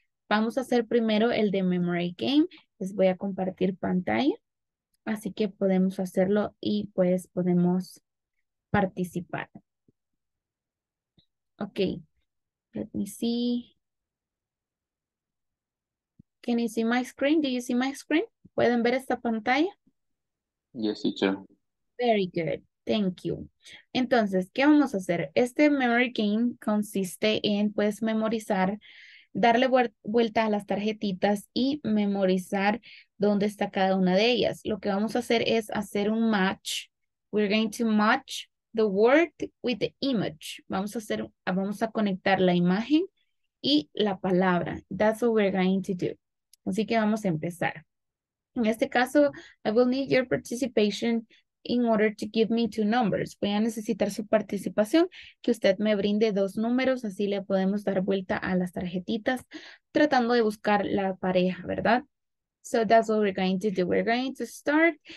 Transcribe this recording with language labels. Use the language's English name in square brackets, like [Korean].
[Spanish] Vamos a hacer primero el de memory game. Les voy a compartir pantalla. Así que podemos hacerlo y pues podemos participar. Ok. [English] Let me see. Can you see my screen? Do you see my screen? [Spanish] ¿Pueden ver esta pantalla? [English] Yes, teacher. Very good. Thank you. [Spanish] Entonces, ¿qué vamos a hacer? Este memory game consiste en, pues, memorizar, darle vuelta a las tarjetitas y memorizar dónde está cada una de ellas. Lo que vamos a hacer es hacer un match. [English] We're going to match the word with the image. [Spanish] Vamos a conectar la imagen y la palabra. [English] That's what we're going to do. [Spanish] Así que vamos a empezar. En este caso, [English] I will need your participation. In order to give me two numbers, [Spanish] voy a necesitar su participación, que usted me brinde dos números, así le podemos dar vuelta a las tarjetitas, tratando de buscar la pareja, ¿verdad? [English] So that's what we're going to do. We're going to start.